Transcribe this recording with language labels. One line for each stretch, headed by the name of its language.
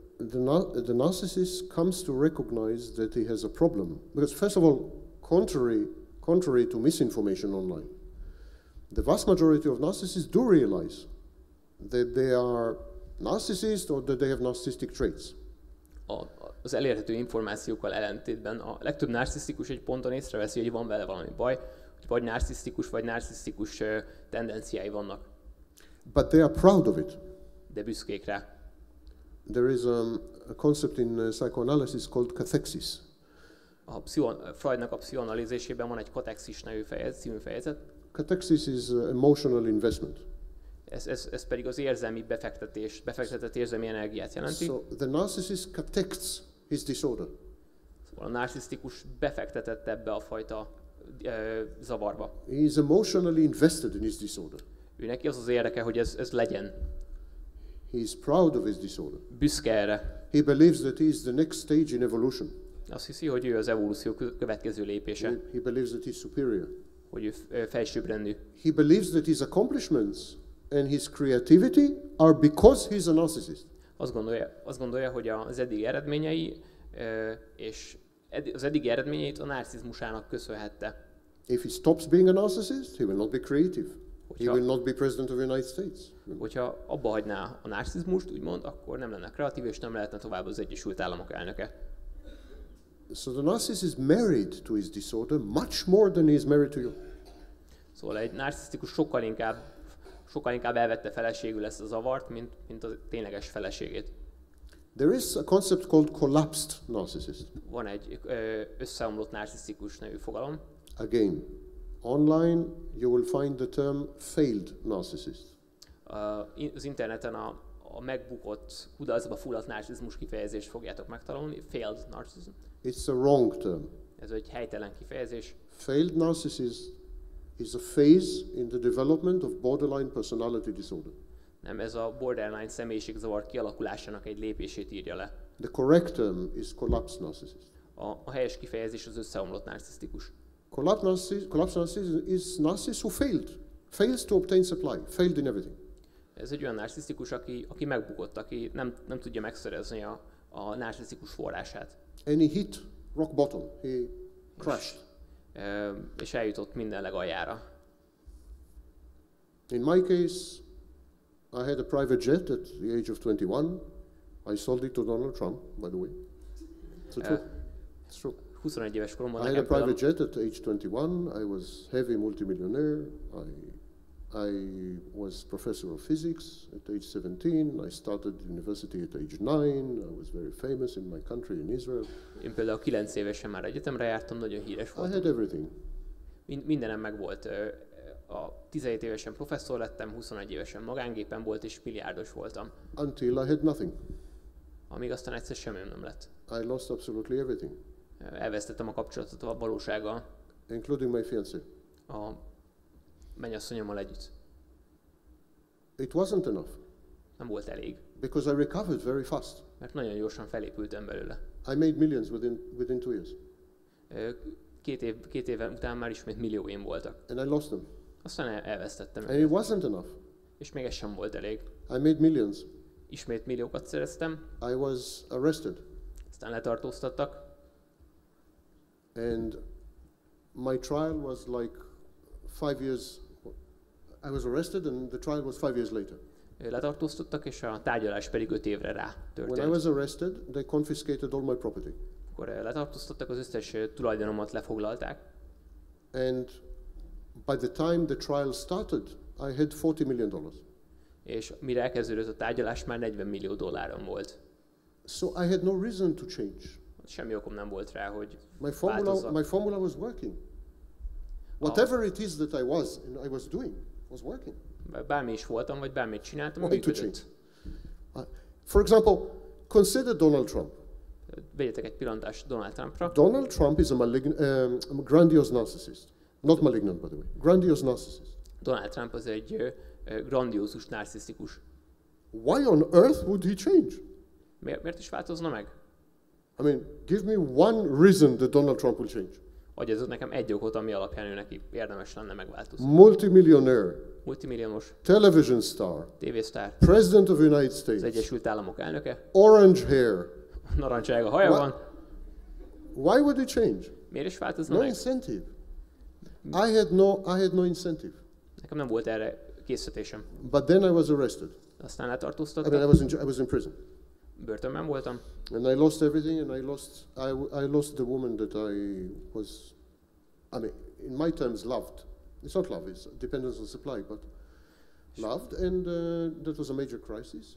English: The narcissist comes to recognize that he has a problem. Because first of all, contrary to misinformation online, the vast majority of narcissists do realize that they are narcissist or that they have narcissistic traits.
Hungarian: Az elérhető információkkal ellentétben a legtöbb narcisztikus egy ponton észreveszi, hogy van vele valami baj, hogy vagy narcisztikus tendenciái vannak.
English: But they are proud of it.
Hungarian: De büszkék rá.
English: There is a concept in psychoanalysis called cathexis.
Hungarian: Freudnak a pszichoanalízisében van egy katexis nevű fejezet.
English: Cathexis is emotional investment.
Hungarian: Ez pedig az érzelmi befektetés, befektetett érzelmi energiát jelenti.
English: So the narcissist cathects his disorder.
Hungarian: Szóval a narcisztikus befektetett ebbe a fajta zavarba.
English: He is emotionally invested in his disorder.
Hungarian: Ő neki az az érdeke, hogy ez legyen.
English: He is proud of his disorder.
Hungarian: Büszke erre.
English: He believes that he is the next stage in evolution.
Hungarian: Azt hiszi, hogy ő az evolúció következő lépése.
English: He believes that he is superior.
Hungarian: Hogy ő felsőbbrendű.
English: He believes that his accomplishments and his creativity are because he's a narcissist.
Hungarian: Azt gondolja, hogy az eddigi eredményei és az eddigi eredményeit a narcizmusának köszönhette.
English: If he stops being a narcissist, he will not be creative. He will not be president of the United States.
Hungarian: Hogyha abba hagyná a narcizmust, úgymond, akkor nem lenne kreatív, és nem lehetne tovább az Egyesült Államok elnöke.
English: So the narcissist is married to his disorder much more than he is married to you.
Hungarian: Szóval egy narcisztikus sokkal inkább elvette feleségül ezt a zavart, mint a tényleges feleségét.
English: There is a concept called collapsed narcissist.
Hungarian: Van egy összeomlott narcisztikus nevű fogalom.
English: Again, online you will find the term failed narcissist.
Hungarian: Az interneten a megbukott, kudarcba fulladt narcizmus kifejezést fogjátok megtalálni,
English: failed narcissism. It's a wrong term.
Hungarian: Ez egy helytelen kifejezés.
English: Failed narcissist is a phase in the development of borderline personality disorder.
Hungarian: Nem, ez a borderline személyiségzavar kialakulásának egy lépését írja le.
English: The correct term is collapsed narcissist.
Hungarian: A helyes kifejezés az összeomlott narcisztikus.
English: Collapsed narcissist is narcissist who fails to obtain supply, failed in everything.
Hungarian: Ez egy olyan narcisztikus, aki megbukott, aki nem tudja megszerezni a narcisztikus forrását.
English: And he hit rock bottom, he crashed.
Hungarian: És eljutott minden legaljára.
English: In my case, I had a private jet at the age of 21. I sold it to Donald Trump, by the way. It's true.
Hungarian: 21 éves koromban.
English: I had a private jet at age 21. I was heavy multimillionaire. I was professor of physics at age 17. I started university at age 9. I was very famous in my country, in Israel.
Hungarian: Én például 9 évesen már egyetemre jártam, nagyon híres voltam.
English: I had everything.
Hungarian: Mindenem megvolt. A 17 évesen professzor lettem, 21 évesen magángépen volt és milliárdos voltam.
English: Until I had nothing.
Hungarian: Amíg aztán egyszer semmim nem lett.
English: I lost absolutely everything.
Hungarian: Elvesztettem a kapcsolatot a valósággal.
English: Including my fiancé.
Hungarian: A mennyasszonyommal együtt.
English: It wasn't enough.
Hungarian: Nem volt elég.
English: Because I recovered very fast.
Hungarian: Mert nagyon gyorsan felépültem belőle.
English: I made millions within 2 years.
Hungarian: Két év után már ismét millióim voltak.
English: And I lost them.
Hungarian: Aztán elvesztettem.
English: And it wasn't enough.
Hungarian: És még ez sem volt elég.
English: I made millions.
Hungarian: Ismét milliókat szereztem.
English: I was arrested.
Hungarian: Aztán letartóztattak.
English: And my trial was like 5 years. I was arrested and the trial was 5 years later.
Hungarian: Letartóztattak, és a tárgyalás pedig 5 évre rá történt.
English: When I was arrested, they confiscated all my property.
Hungarian: Akkor letartóztattak, az összes tulajdonomat lefoglalták.
English: And by the time the trial started, I had $40 million.
Hungarian: És mire elkezdődött a tárgyalás, már 40 millió dollárom volt.
English: So I had no reason to change.
Hungarian: Semmi okom nem volt rá, hogy változzak.
English: My formula was working. Whatever it is that I was and I was doing was working.
Hungarian: Bármi is voltam, vagy bármit csináltam,
English: why to change? For example, consider Donald Trump.
Hungarian: Vegyetek egy pillantást Donald Trumpra.
English: Donald Trump is a grandiose narcissist. Not malignant, by the way. Grandiose narcissist.
Hungarian: Donald Trump az egy grandiózus narcisztikus.
English: Why on earth would he change?
Hungarian: Miért is változna meg?
English: I mean, give me one reason that Donald Trump will change.
Hungarian: Hogy ez nekem egy okot, ami alapján ő neki érdemes lenne megváltozni.
English: Multimillionaire.
Hungarian: Multimilliómos.
English: Television star. TV star. President of the United States.
Hungarian: Az Egyesült Államok elnöke.
English: Orange hair.
Hungarian: Narancsága haja van.
English: Why would he change?
Hungarian: Miért is változna
English: no
Hungarian: meg?
English: No incentive. I had no incentive.
Hungarian: Nekem nem volt erre készítésem.
English: But then I was arrested.
Hungarian: Aztán letartóztattak.
English: And I was in prison.
Hungarian: Börtönben voltam.
English: And I lost everything, and I lost the woman that I was, I mean, in my terms, loved. It's not love, it's dependence on supply, but loved, and that was a major crisis.